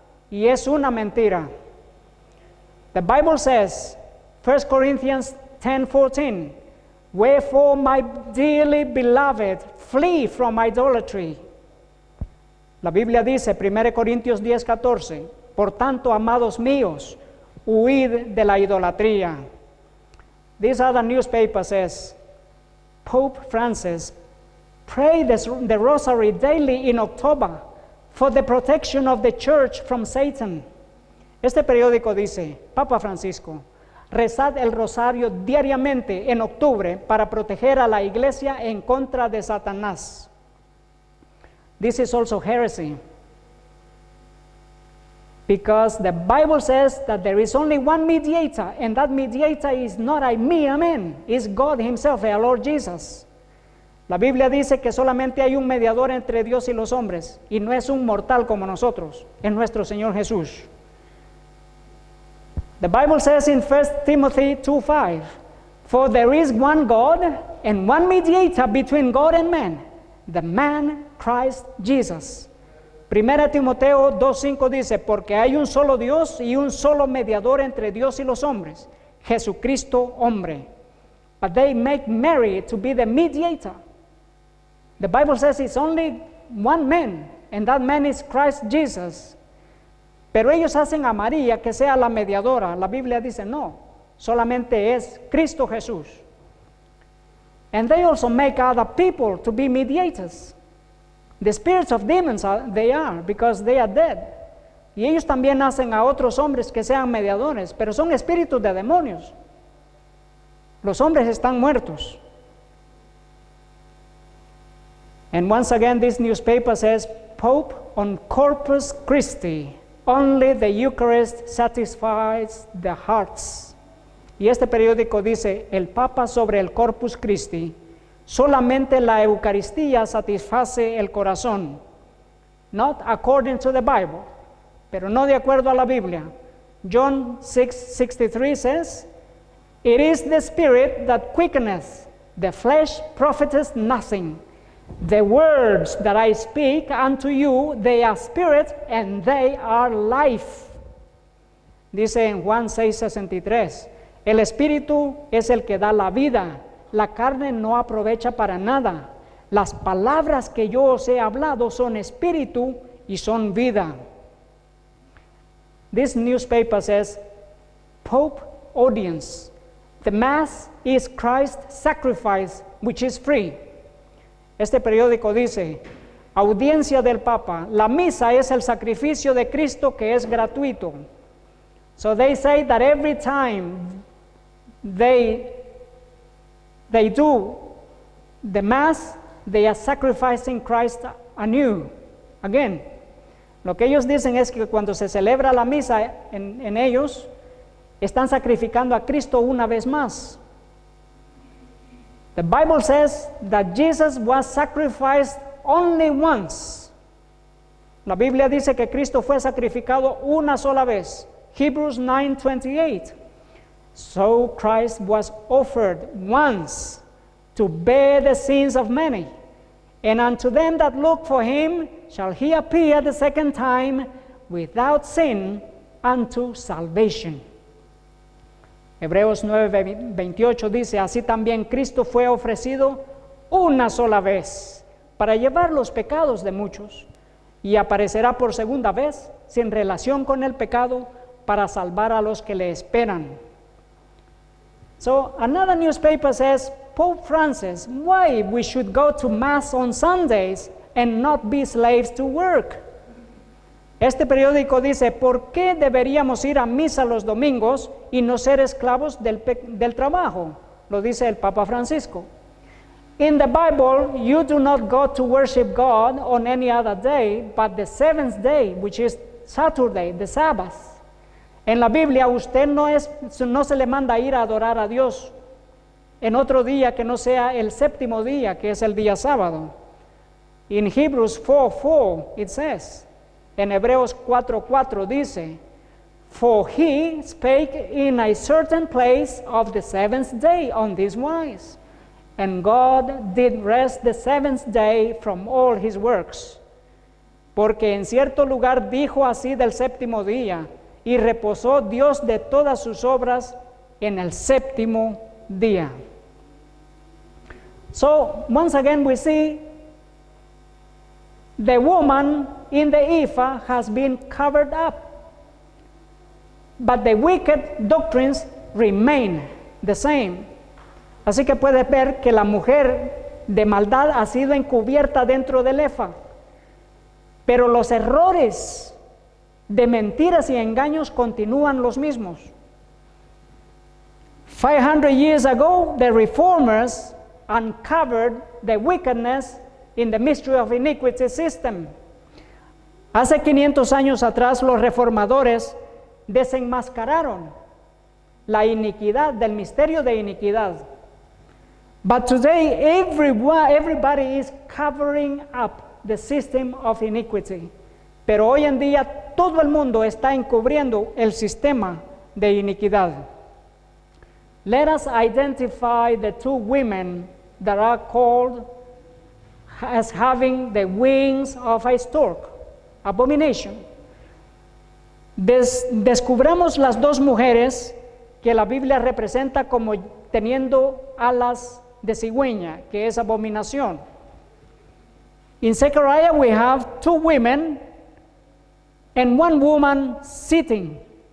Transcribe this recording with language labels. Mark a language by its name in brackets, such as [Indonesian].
[Spanish] Y es una mentira. [English] The Bible says, 1 Corinthians 10:14, wherefore, my dearly beloved, flee from idolatry. [Spanish] La Biblia dice, 1 Corintios 10:14, por tanto, amados míos, huid de la idolatría. [English] This other newspaper says, Pope Francis, pray the rosary daily in October for the protection of the church from Satan. [Spanish] Este periódico dice, Papa Francisco, rezad el rosario diariamente en octubre para proteger a la iglesia en contra de Satanás. [English] This is also heresy. Because the Bible says that there is only one mediator, and that mediator is not a mere man, it's God himself, our Lord Jesus. [Spanish] La Biblia dice que solamente hay un mediador entre Dios y los hombres, y no es un mortal como nosotros, es nuestro Señor Jesús. [English] The Bible says in 1 Timothy 2:5, for there is one God and one mediator between God and man, the man Christ Jesus. [Spanish] Primera Timoteo 2:5 dice, porque hay un solo Dios y un solo mediador entre Dios y los hombres, Jesucristo hombre. [English] But they make Mary to be the mediator. The Bible says it's only one man, and that man is Christ Jesus. [Spanish] Pero ellos hacen a María que sea la mediadora. La Biblia dice no, solamente es Cristo Jesús. [English] And they also make other people to be mediators. The spirits of demons are, they are, because they are dead. [Spanish] Y ellos también hacen a otros hombres que sean mediadores, pero son espíritus de demonios. Los hombres están muertos. [English] And once again, this newspaper says, Pope on Corpus Christi, only the Eucharist satisfies the hearts. [Spanish] Y este periódico dice, el Papa sobre el Corpus Christi, solamente la Eucaristía satisface el corazón. [English] Not according to the Bible, [Spanish] pero no de acuerdo a la Biblia. [English] John 6:63 says, it is the Spirit that quickeneth, the flesh profiteth nothing. The words that I speak unto you, they are spirit and they are life. [Spanish] Dice en Juan 6:63, el Espíritu es el que da la vida, la carne no aprovecha para nada. Las palabras que yo os he hablado son espíritu y son vida. [English] This newspaper says, Pope audience, the mass is Christ's sacrifice, which is free. [Spanish] Este periódico dice, audiencia del Papa, la misa es el sacrificio de Cristo que es gratuito. [English] So they say that every time they do the mass, they are sacrificing Christ anew, again. [Spanish] Lo que ellos dicen es que cuando se celebra la misa en ellos, están sacrificando a Cristo una vez más. [English] The Bible says that Jesus was sacrificed only once. [Spanish] La Biblia dice que Cristo fue sacrificado una sola vez. [English] Hebrews 9:28. So Christ was offered once to bear the sins of many. And unto them that look for him shall he appear the second time without sin unto salvation. [Spanish] Hebreos 9:28 dice, así también Cristo fue ofrecido una sola vez para llevar los pecados de muchos y aparecerá por segunda vez sin relación con el pecado para salvar a los que le esperan. [English] So another newspaper says, Pope Francis, why we should go to mass on Sundays and not be slaves to work? [Spanish] Este periódico dice, ¿por qué deberíamos ir a misa los domingos y no ser esclavos del trabajo? Lo dice el Papa Francisco. [English] In the Bible, you do not go to worship God on any other day, but the seventh day, which is Saturday, the Sabbath. [Spanish] En la Biblia, usted no se le manda ir a adorar a Dios en otro día que no sea el séptimo día, que es el día sábado. [English] In Hebrews 4:4, it says, [Spanish] en Hebreos 4:4 dice, [English] for he spake in a certain place of the seventh day on this wise, and God did rest the seventh day from all his works. [Spanish] Porque en cierto lugar dijo así del séptimo día, y reposó Dios de todas sus obras en el séptimo día. [English] So, once again we see, the woman in the ephah has been covered up, but the wicked doctrines remain the same. [Spanish] Así que puede ver que la mujer de maldad ha sido encubierta dentro del ephah, pero los errores de mentiras y engaños continúan los mismos. [English] 500 years ago, the reformers uncovered the wickedness in the mystery of iniquity system. [Spanish] Hace 500 años atrás, los reformadores desenmascararon la iniquidad del misterio de iniquidad. [English] But today, everybody is covering up the system of iniquity. [Spanish] Pero hoy en día, todo el mundo está encubriendo el sistema de iniquidad. [English] Let us identify the two women that are called as having the wings of a stork, abomination. [Spanish] Descubramos las dos mujeres que la Biblia representa como teniendo alas de cigüeña, que es abominación. [English] In Zechariah we have two women and one woman sitting.